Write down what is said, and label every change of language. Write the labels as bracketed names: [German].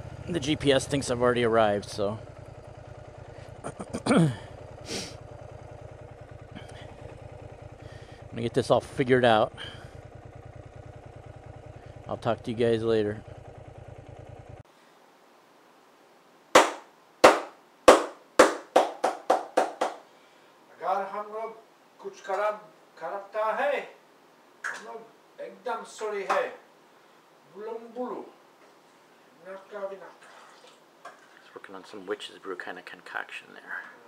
[English] The GPS thinks I've already arrived, so. I'm gonna get this all figured out. I'll talk to you guys later. [Hindi] अगर हम लोग कुछ खराब करता है, हम लोग एकदम सॉरी है. Bulum bulu. Naka bina. [English] Working on some witch's brew kind of concoction there.